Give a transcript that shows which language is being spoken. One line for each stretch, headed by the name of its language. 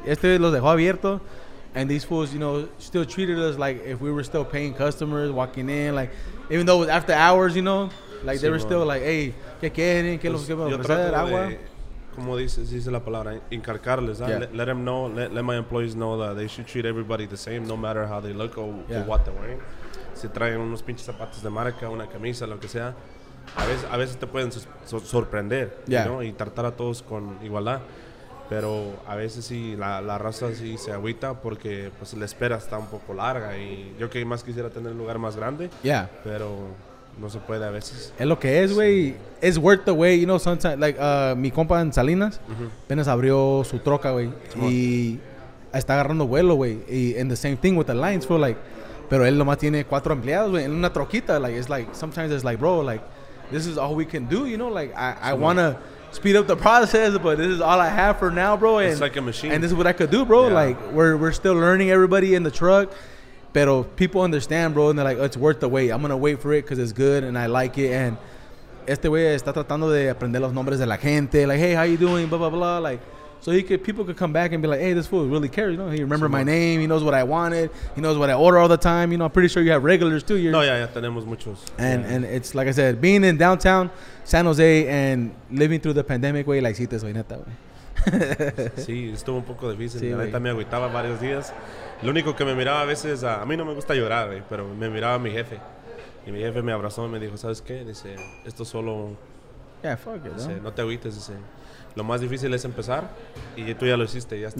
Spanish: Este los dejó abierto,
English: and these fools, you know, still treated us like if we were still paying customers, walking in, like, even though it was after hours, you know, like, they were still like, hey,
Spanish: ¿qué quieren? ¿Qué los quieren? Pues, yo trato de, como dice la palabra, encargarles,
English: let them know, let my employees know that they should treat everybody the same, no matter how they look or what they're wearing.
Spanish: Si traen unos pinches zapatos de marca, una camisa, lo que sea, a veces te pueden sorprender, ¿no? Y tratar a todos con igualdad. Pero a veces sí, la raza sí se agüita porque pues la espera está un poco larga y yo que más quisiera tener un lugar más grande, pero... No se puede a veces. Es lo que es, güey. Es
English: worth the way. You know, sometimes, like,
Spanish: mi compa en Salinas apenas abrió su troca, güey. Y está agarrando vuelo, güey.
English: Y and the same thing with the lines, bro. Like,
Spanish: pero él nomás tiene 4 empleados, güey. En una troquita.
English: Like, it's like, sometimes it's like, bro, like, this is all we can do, you know? Like, I want to speed up the process, but this is all I have for now, bro. And, it's like a machine. And this is what I could do, bro. Yeah. Like, we're still learning everybody in the truck. But people understand, bro, and they're like, oh, it's worth the wait. I'm going to wait for it because it's good and I like it.
Spanish: And este güey está tratando de aprender los nombres de la gente.
English: Like, hey, how you doing? Blah, blah, blah. Like, so people could come back and be like, hey, this fool really cares. You know, he remembers my name. He knows what I wanted. He knows what I order all the time. You know, I'm pretty sure you have regulars, too.
Spanish: Tenemos muchos.
English: And it's, like I said, being in downtown San Jose and living through the pandemic, güey, like,
Spanish: sí, te soy neta, güey. Sí, estuvo un poco difícil. Sí, la neta me agüitaba varios días. Lo único que me miraba a veces, a mí no me gusta llorar, pero me miraba a mi jefe. Y mi jefe me abrazó y me dijo, ¿sabes qué? Dice, esto solo...
English: Yeah, fuck it,
Spanish: dice, no te agüites, dice. Lo más difícil es empezar y tú ya lo hiciste, ya estás.